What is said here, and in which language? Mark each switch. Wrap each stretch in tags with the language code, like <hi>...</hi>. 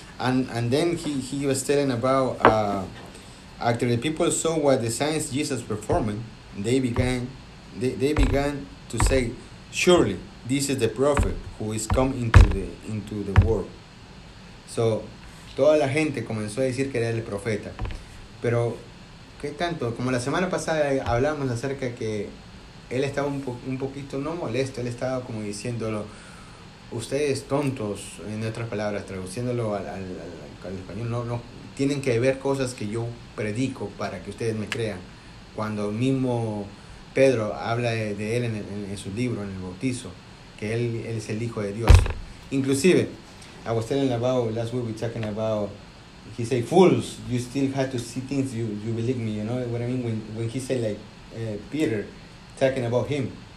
<en>And then he was telling about after the people saw what the signs Jesus performing, they began to say, surely this is the prophet who is come into the world.</en> <es>So toda la gente comenzó a decir que era el profeta. Pero qué tanto, como la semana pasada hablamos acerca que él estaba un poquito no molesto, él estaba como diciéndolo, ustedes tontos, en otras palabras, traduciéndolo al español, no tienen que ver cosas que yo predico para que ustedes me crean. Cuando mismo Pedro habla de él en su libro, en el bautizo, que él es el hijo de Dios.</es> <en>Inclusive, I was telling about, last week we talking about, he say, fools, you still have to see things, you believe me, you know what I mean? When he say like, Peter, talking about him.</en>